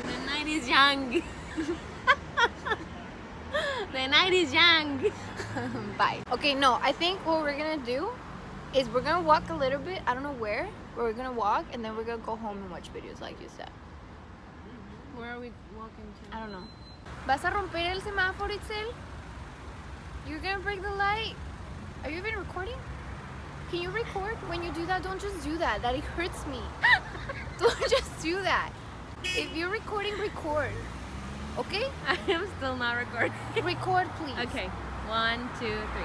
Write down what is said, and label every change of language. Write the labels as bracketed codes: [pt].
[en] The night is young. The night is young. Bye. Okay, no, I think what we're gonna do is we're gonna walk a little bit. I don't know where, but we're gonna walk and then we're gonna go home and watch videos, like you said. Where are we walking to? I don't know. [es] ¿Vas a romper el semáforo, Itzel? [en] You're gonna break the light. Are you even recording? Can you record when you do that? Don't just do that. That it hurts me. Don't just do that. If you're recording, record. Okay? I am still not recording. Record, please. Okay. 1, 2, 3.